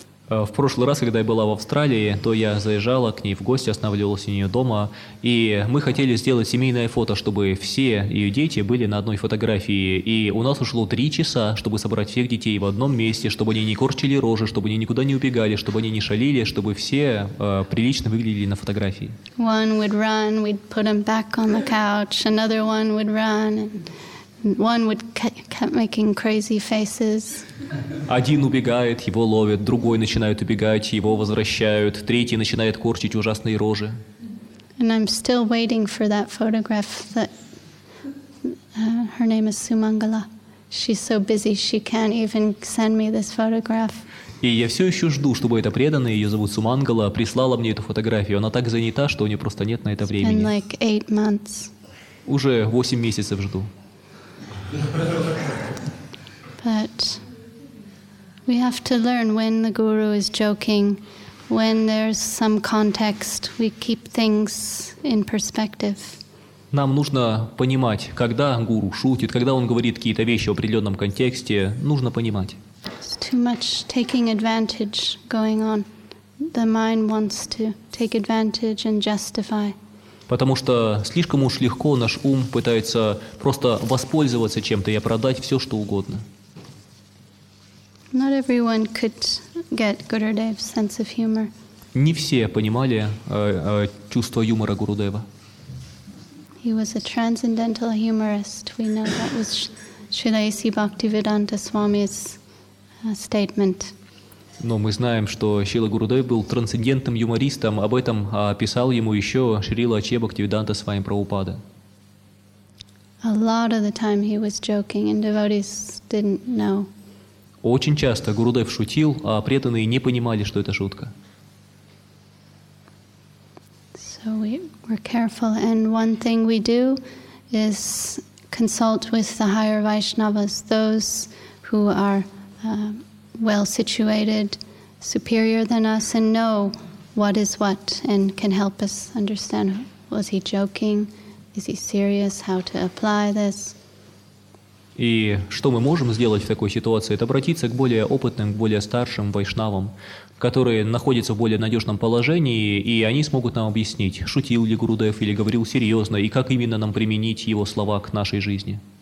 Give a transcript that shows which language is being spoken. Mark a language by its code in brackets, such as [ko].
[ru] В прошлый раз, когда я была в Австралии, то я заезжала к ней в гости, останавливалась у нее дома, и мы хотели сделать семейное фото, чтобы все ее дети были на одной фотографии. И у нас ушло 3 часа, чтобы собрать всех детей в одном месте, чтобы они не корчили рожи, чтобы они никуда не убегали, чтобы они не шалили, чтобы все прилично выглядели на фотографии. [en] One would run, we'd put them back on the couch, another one would run, and One would kept making crazy faces. [ru] Один убегает, его ловят. Другой начинает убегать, его возвращают. Третий начинает корчить ужасные рожи. [en] And I'm still waiting for that photograph that her name is Sumangala. She's so busy, she can't even send me this photograph. [ru] И я все еще жду, чтобы эта преданная, ее зовут Сумангала, прислала мне эту фотографию. Она так занята, что у нее просто нет на это времени. [en] It's been like 8 months. [ru] Уже 8 месяцев жду. [en] But we have to learn when the guru is joking, when there's some context, we keep things in perspective. [ru] Нам нужно понимать, когда гуру шутит, когда он говорит какие-то вещи в определенном контексте, нужно понимать. [en] It's too much taking advantage going on. The mind wants to take advantage and justify. [ru] Потому что слишком уж легко наш ум пытается просто воспользоваться чем-то и оправдать все, что угодно. [en] Not everyone could get Gurudev's sense of humor. [ru] Не все понимали чувство юмора Гурудева. [en] He was a transcendental humorist. We know that was Shilaisi Bhaktivedanta Swami's statement. [ru] Но мы знаем, что Шрила Гурудев был трансцендентным юмористом. Об этом писал ему еще Шрила Ачья Бхактивиданта Свами Прабхупада. [en] A lot of the time he was joking, and devotees didn't know. [ru] Очень часто Гурудев шутил, а преданные не понимали, что это шутка. [en] So we're careful, and one thing we do is consult with the higher Vaishnavas, those who are well-situated, superior than us, and know what is what, and can help us understand, was he joking, is he serious, how to apply this. [ru] И что мы можем сделать в такой ситуации, это обратиться к более опытным, к более старшим вайшнавам, которые находятся в более надежном положении, и они смогут нам объяснить, шутил ли Гурудев или говорил серьезно, и как именно нам применить его слова к нашей жизни.